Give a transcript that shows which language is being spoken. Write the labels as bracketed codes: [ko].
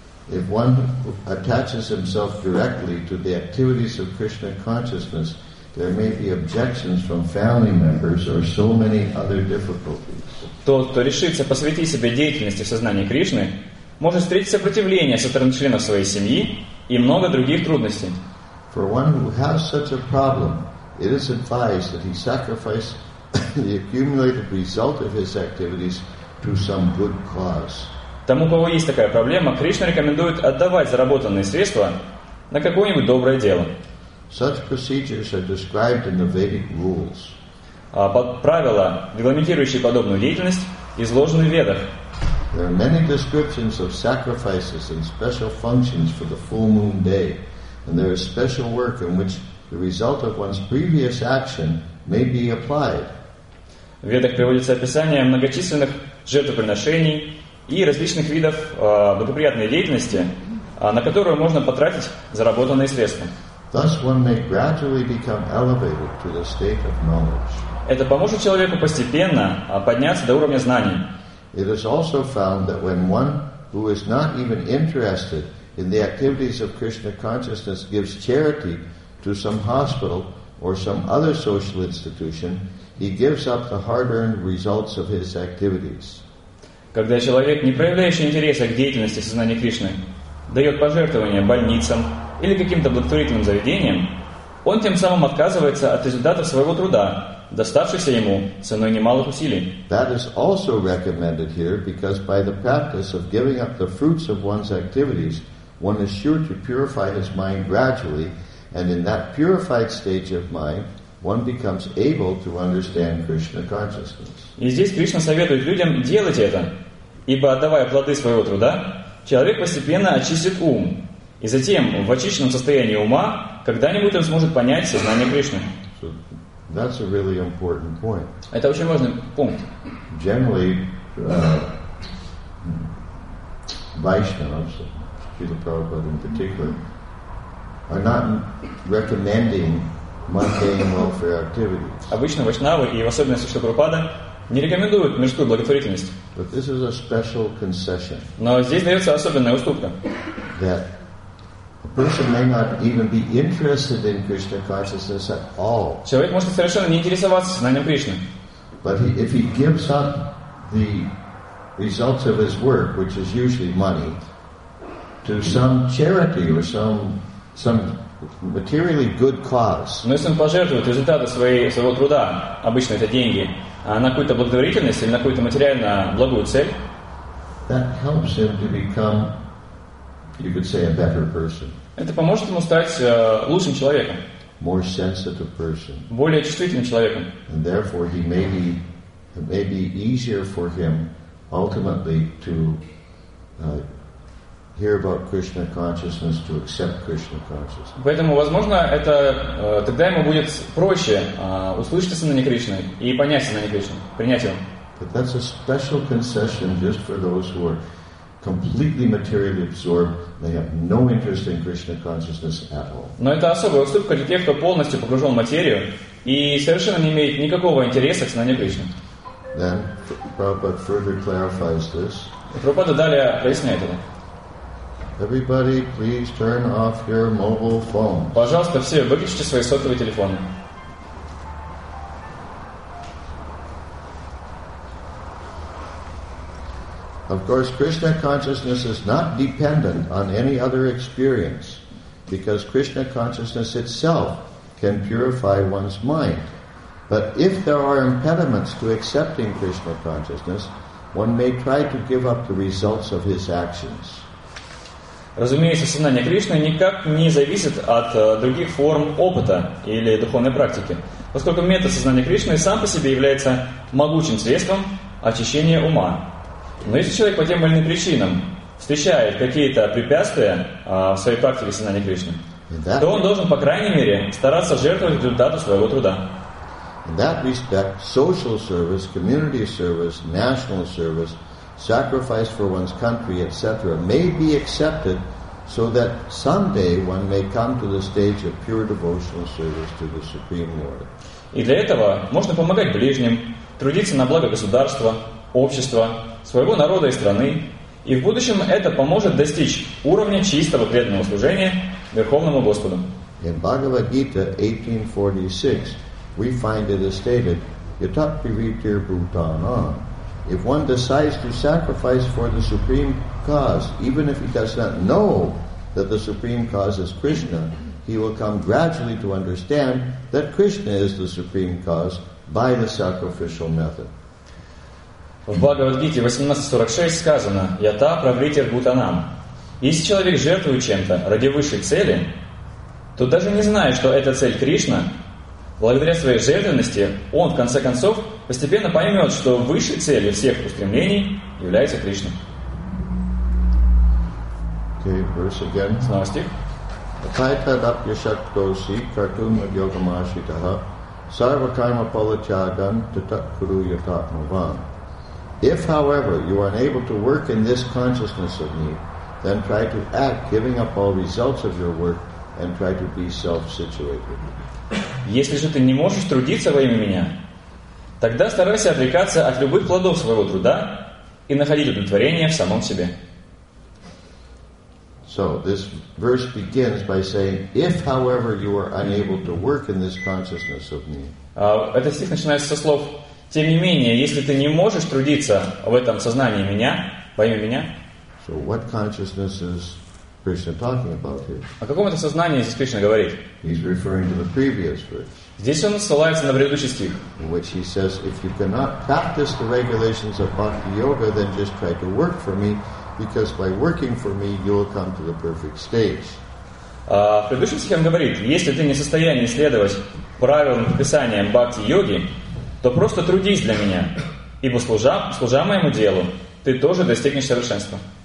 [en] If one attaches himself directly to the activities of Krishna consciousness, there may be objections from family members or so many other difficulties. [ru] Тот, кто решится посвятить себя деятельности в сознании Кришны, может встретить сопротивление со стороны членов своей семьи и много других трудностей. [en] For one who has such a problem, it is advised that he sacrifice the accumulated result of his activities to some good cause. [ru] Тому, у кого есть такая проблема, Кришна рекомендует отдавать заработанные средства на какое-нибудь доброе дело. [en] Such procedures are described in the Vedic rules. [ru] Правила, регламентирующие подобную деятельность, изложены в Ведах. [en] There are many descriptions of sacrifices and special functions for the full moon day, and there is special work in which the result of one's previous action may be applied. [ru] В Ведах приводится описание многочисленных жертвоприношений и различных видов благоприятной деятельности, на которую можно потратить заработанные средства. [en] Thus one may gradually become elevated to the state of knowledge. [ru] Это поможет человеку постепенно подняться до уровня знаний. [en] It is also found that when one who is not even interested in the activities of Krishna consciousness gives charity to some hospital or some other social institution, he gives up the hard-earned results of his activities. [ru] Когда человек, не проявляющий интереса к деятельности сознания Кришны, дает пожертвования больницам или каким-то благотворительным заведениям, он тем самым отказывается от результатов своего труда, доставшихся ему ценой немалых усилий. [en] That is also recommended here because by the practice of giving up the fruits of one's activities, one is sure to purify his mind gradually, and in that purified stage of mind, one becomes able to understand Krishna consciousness. [ru] И здесь Кришна советует людям делать это, ибо отдавая плоды своего труда, человек постепенно очистит ум, и затем в очищенном состоянии ума когда-нибудь он сможет понять сознание Кришны. [en] So that's a really important point. [ru] Это очень важный пункт. [en] Generally, Vaishnavas, Śrīla Prabhupāda in particular, are not recommending mundane welfare activities. [ru] Обычно вайшнавы и в особенности Śrīla Prabhupāda не рекомендуют мирскую благотворительность. [en] But this is a special concession. [ru] Но здесь дается особенная уступка. [en] That a person may not even be interested in Krishna consciousness at all. [ru] Человек может совершенно не интересоваться знанием Кришны. [en] But if he gives up the results of his work, which is usually money, to some charity or some materially good cause. [ru] Но если он пожертвует результаты своего труда, обычно это деньги, на какую-то благотворительность или на какую-то материально благую цель, [en] that helps him to become, you could say, a better person. [ru] Это поможет ему стать лучшим человеком. [en] More sensitive person. [ru] Более чувствительным человеком. [en] And therefore, he may be easier for him ultimately to hear about Krishna consciousness, to accept Krishna consciousness. [ru] Поэтому, возможно, это тогда ему будет проще услышать о сознании Кришны и понять сознание Кришны, принять его. [en] But that's a special concession just for those who are completely materially absorbed, they have no interest in Krishna consciousness at all. [ru] Но это особая уступка для тех, кто полностью погружен в материю и совершенно не имеет никакого интереса к сознанию Кришны. [en] Then Prabhupada further clarifies this. [ru] Прабхупада далее проясняет это. [en] Everybody, please turn off your mobile phone. [ru] Пожалуйста, все выключите свои сотовые телефоны. [en] Of course, Krishna consciousness is not dependent on any other experience, because Krishna consciousness itself can purify one's mind. But if there are impediments to accepting Krishna consciousness, one may try to give up the results of his actions. [ru] Разумеется, сознание Кришны никак не зависит от других форм опыта или духовной практики, поскольку метод сознания Кришны сам по себе является могучим средством очищения ума. Но если человек по тем или иным причинам встречает какие-то препятствия в своей практике сознания Кришны, то он должен, по крайней мере, стараться жертвовать результату своего труда. [en] In that respect, social service, community service, national service, sacrifice for one's country, etc., may be accepted so that someday one may come to the stage of pure devotional service to the Supreme Lord. [ru] И для этого можно помогать ближним, трудиться на благо государства, общества, своего народа и страны, и в будущем это поможет достичь уровня чистого преданного служения Верховному Господу. [en] In Bhagavad-gita 18:46, we find it is stated, [sa] Yatapiritir Bhutanam. [en] If one decides to sacrifice for the Supreme Cause, even if he does not know that the Supreme Cause is Krishna, he will come gradually to understand that Krishna is the Supreme Cause by the sacrificial method. [ru] В Бхагавад-гите 18.46 сказано [sa] «Ята правритир бутанам». [ru] Если человек жертвует чем-то ради высшей цели, то даже не зная, что эта цель Кришна, благодаря своей жертвенности, он, в конце концов, постепенно поймет, что высшей целью всех устремлений является Кришна. [en] Okay, verse again. [ru] Снова стих. [sa] «Атайтадапьяшактоси картума йогамашитаха сарвакаймапалачаган тататкуру ятатмаван». [en] If, however, you are unable to work in this consciousness of me, then try to act, giving up all results of your work, and try to be self-situated. [ru] Если же ты не можешь трудиться во имя меня, тогда старайся отрекаться от любых плодов своего труда и находить удовлетворение в самом себе. [en] So, this verse begins by saying, if, however, you are unable to work in this consciousness of me. [ru] Этот стих начинается со слов «Тем не менее, если ты не можешь трудиться в этом сознании меня, во имя меня». [en] So what consciousness is Krishna talking about here? [ru] О каком это сознании здесь Кришна говорит? [en] He's referring to the previous verse. [ru] Здесь он ссылается на предыдущий стих. [en] In which he says, if you cannot practice the regulations of bhakti yoga, then just try to work for me, because by working for me, you will come to the perfect stage. [ru] В предыдущем стихе он говорит, если ты не в состоянии следовать правилам и писаниям бхакти йоги, то просто трудись для меня, ибо служа моему делу, ты тоже достигнешь совершенства.